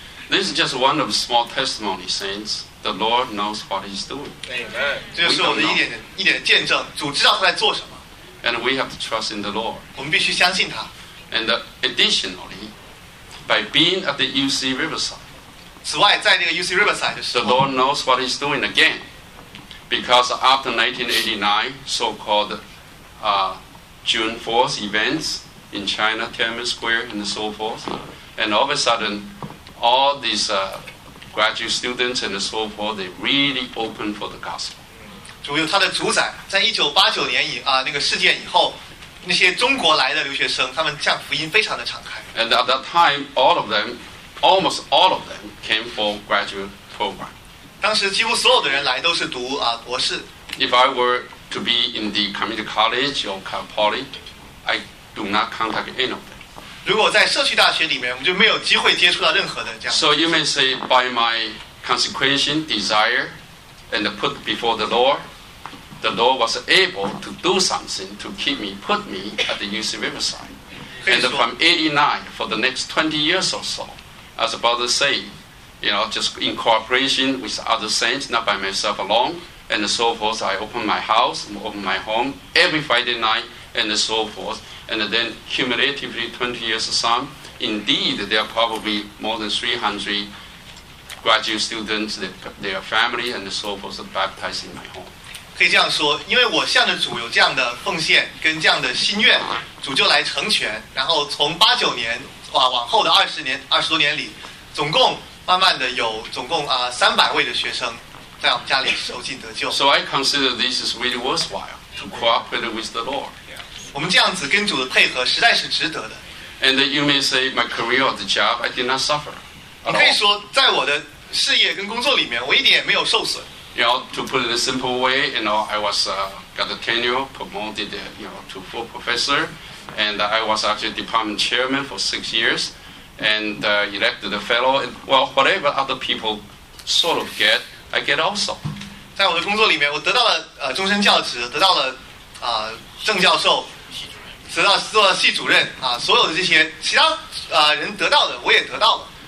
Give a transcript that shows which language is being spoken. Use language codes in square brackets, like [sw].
[en] This is just one of the small testimony, saints. The Lord knows what He's doing. Amen. [zh] 这就是我的一点见证，主知道他在做什么。 [en] And we have to trust in the Lord. [zh] 我们必须相信他。 [en] And additionally, by being at the UC Riverside. [zh] 此外，在这个 UC Riverside 的时候 [en] ，The Lord knows what He's doing again, because after 1989, so-called June 4th events in China, Tiananmen Square, and so forth, and all of a sudden. All these graduate students and so forth, they really open for the gospel. [zh] 主有他的主宰，在1989年以那个事件以后，那些中国来的留学生，他们向福音非常的敞开。 [en] And at that time, all of them, almost all of them, came for graduate program. [zh] 当时几乎所有的人来都是读博士。 [en] If I were to be in the community college or Cal Poly, I do not contact any of them. [zh] 如果在社区大学里面，我们就没有机会接触到任何的这样。 [en] So you may say by my consecration desire and put before the Lord was able to do something to keep me, put me at the UC Riverside. And from 89 for the next 20 years or so, I was about to say, you know, just in cooperation with other saints, not by myself alone, and so forth. I opened my house, opened my home every Friday night, and so forth. And then cumulatively 20 years of time, indeed, there are probably more than 300 graduate students, their family, and so forth, baptized in my home. [zh] 可以这样说，因为我向着主有这样的奉献跟这样的心愿，主就来成全。然后从89年往后的20多年里，总共慢慢的有总共300位的学生在我们家里受浸得救。 [en] So I consider this is really worthwhile to cooperate with the Lord. [zh] 我们这样子跟主的配合实在是值得的。 [en] And you may say my career or the job, I did not suffer. [zh] 你可以说，在我的事业跟工作里面，我一点也没有受损。 [en] You know, to put it in a simple way, you know, I was got a tenure, promoted, you know, to full professor, and I was actually department chairman for 6 years, and elected a fellow. And, well, whatever other people sort of get, I get also. [zh] 在我的工作里面，我得到了终身教职，得到了。郑教授，做到系主任啊，所有的这些其他人得到的，我也得到了。